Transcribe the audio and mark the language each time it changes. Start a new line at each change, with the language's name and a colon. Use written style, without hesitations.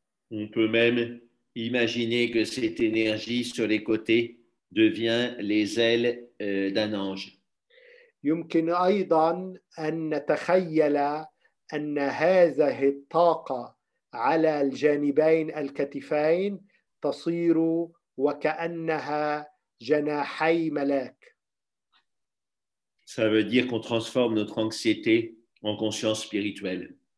French: On peut même imaginer que cette énergie sur les côtés devient les ailes d'un ange.
Arabic: يمكن أيضا أن نتخيل أن هذه الطاقة على الجانبين الكتفين تصير وكأنها جناحي ملاك.
French: Ça veut dire qu'on transforme notre anxiété en conscience spirituelle.